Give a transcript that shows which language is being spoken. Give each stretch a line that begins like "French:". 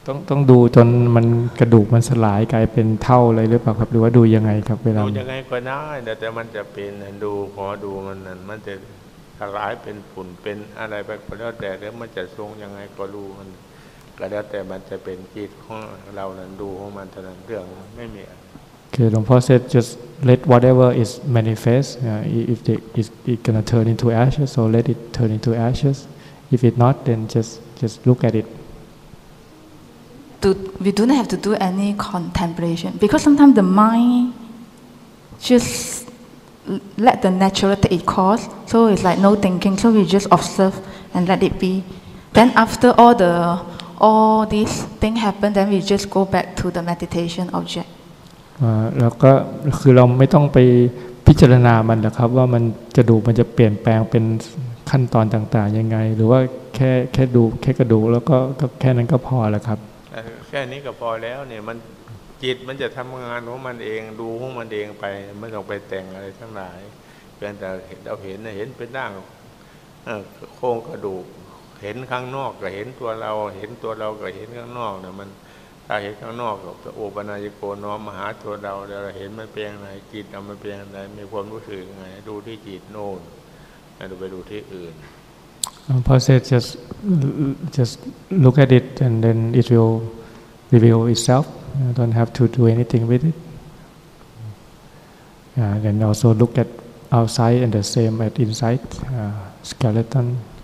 Thai: ต้องดูจนมันกระดูกมันสลายกลายเป็นเท่าเลยหรือเปล่าครับหรือว่าดูยังไงครับเวลา ดูยังไงก็ได้แต่มันจะเป็นดูขอดูมันนั่นมันจะสลายเป็นฝุ่นเป็นอะไรไปก็แล้วแต่แล้วมันจะทรงยังไงก็รู้มันก็แล้วแต่มันจะเป็นจิตของเรานั้นดูของมันเท่านั้นเรื่องไม่มี
English: คือหลวงพ่อ said just let whatever is manifest if it's gonna turn into ashes so let it turn into ashes if it not then just look at it we don't have to do any contemplation because sometimes the mind just let the natural take its course so it's like no thinking so we just observe and let it be then after all these thing happen then we just go back to the meditation object
Thai: แล้วก็คือเราไม่ต้องไปพิจารณามันนะครับว่ามันกระดูกมันจะเปลี่ยนแปลงเป็นขั้นตอนต่างๆยังไงหรือว่าแค่ดูแค่กระดูกแล้วก็แค่นั้นก็พอแล้วครับ แค่นี้ก็พอแล้วเนี่ยมันจิตมันจะทำงานของมันเองดูของมันเองไปไม่ต้องไปแต่งอะไรทั้งหลายเพียงแต่เห็นเป็นร่างโครงกระดูกเห็นข้างนอกก็เห็นตัวเราก็เห็นข้างนอกเนี่ยมันถ้าเห็นข้างนอกกับโอปนายโกน้อมมหาตัวเราเราเห็นมันเป็นยังไงจิตเรามันเป็นยังไงมีความรู้สึกยังไงดูที่จิตโน่นแล้วไปดูที่อื่น
English: process just look at it and then it will reveal itself you don't have to do anything with it then also look at outside and the same at inside skeleton